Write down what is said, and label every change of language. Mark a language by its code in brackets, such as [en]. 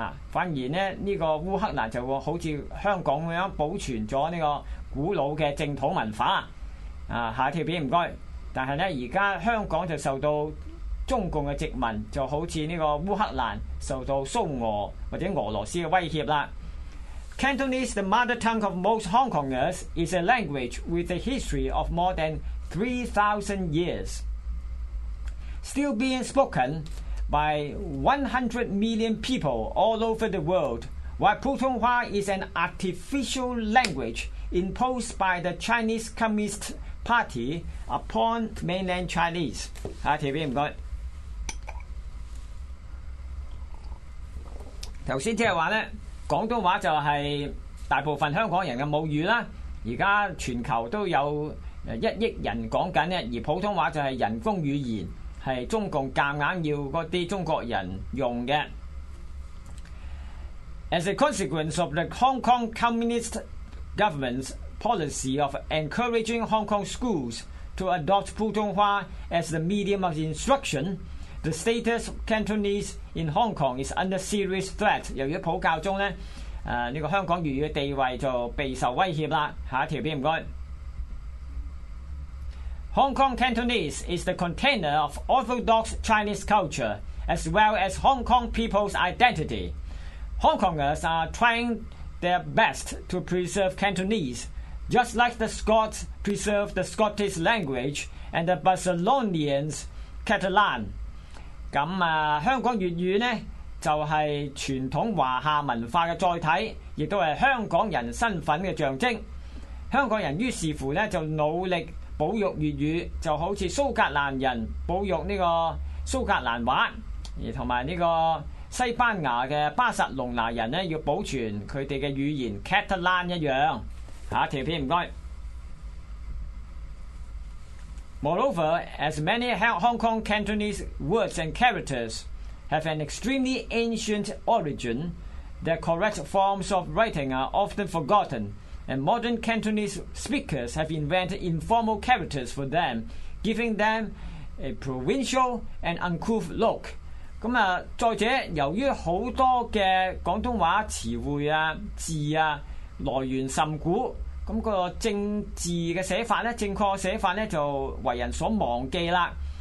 [yue] 反而呢這個烏克蘭就好像香港那樣保存了這個古老的正統文化、下一條片麻煩。但是呢現在香港就受到中共的殖民，就好像這個烏克蘭受到蘇俄或者俄羅斯的威脅了。 [en] Cantonese, the mother tongue of most Hong Kongers, is a language with a history of more than 3,000 years still being spokenby 100 million people all over the world, while Putonghua is an artificial language imposed by the Chinese Communist Party upon mainland Chinese. [yue] 下一條片，麻煩。剛才即是說呢，廣東話就是大部分香港人的母語啦，現在全球都有一億人講緊，而普通話就是人工語言，是中共夾硬要那些中國人用的。 [en] As a consequence of the Hong Kong Communist Government's policy of encouraging Hong Kong schools to adopt Putonghua as the medium of instruction, the status of Cantonese in Hong Kong is under serious threat. [yue] 由於普教中呢、這個香港語的地位就備受威脅了。下一條片，麻煩。 [en] Hong Kong Cantonese is the container of Orthodox Chinese culture as well as Hong Kong people's identity. Hong Kongers are trying their best to preserve Cantonese, just like the Scots preserve the Scottish language and the Barcelonians Catalan. [yue] 咁啊，香港粵語呢就係、是、傳統華夏文化嘅載體，亦都係香港人身份嘅象徵。香港人於是乎呢就努力保育粵語，就好像蘇格蘭人保育這個蘇格蘭話，而同埋呢個西班牙的巴塞隆拿人咧要保存他哋的語言 Catalan 一樣。下一條片，唔該。 [en] Moreover, as many Hong Kong Cantonese words and characters have an extremely ancient origin, the correct forms of writing are often forgotten. And modern Cantonese speakers have invented informal characters for them, giving them a provincial and uncouth look. [yue] 咁啊，再者，由於好多嘅廣東話詞彙啊、字啊來源甚古，咁、那個正字嘅寫法咧，正確寫法咧就為人所忘記啦。